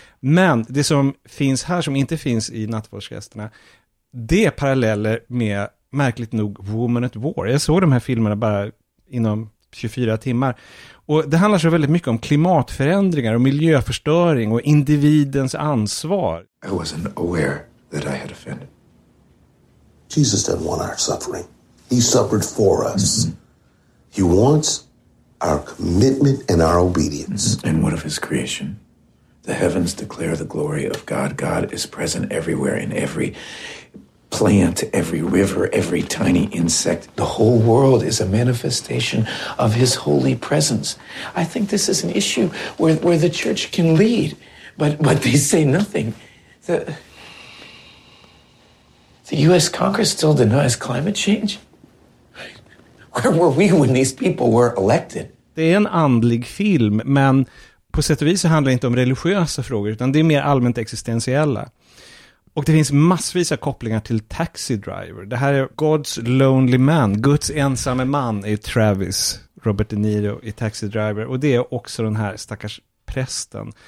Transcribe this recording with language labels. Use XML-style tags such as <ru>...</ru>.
<sv>Men det som finns här som inte finns i nattvardsgästerna, det är paralleller med, märkligt nog, Woman at War. Jag såg de här filmerna bara inom 24 timmar. Och det handlar så väldigt mycket om klimatförändringar och miljöförstöring och individens ansvar.</sv> <en>I wasn't aware that I had offended. Jesus doesn't want our suffering. He suffered for us. Mm-hmm. He wants our commitment and our obedience. Mm-hmm. And what of his creation? The heavens declare the glory of God. God is present everywhere in every plant, every river, every tiny insect. The whole world is a manifestation of his holy presence. I think this is an issue where the church can lead, but they say nothing. The U.S. Congress still denies climate change? Where were we when these people were elected?</en> <sv>Det är en andlig film, men på sätt och vis så handlar det inte om religiösa frågor, utan det är mer allmänt existentiella. Och det finns massvis av kopplingar till Taxi Driver. Det här är God's Lonely Man. Guds ensamme man är Travis, Robert De Niro i Taxi Driver. Och det är också den här stackars prästen.</sv>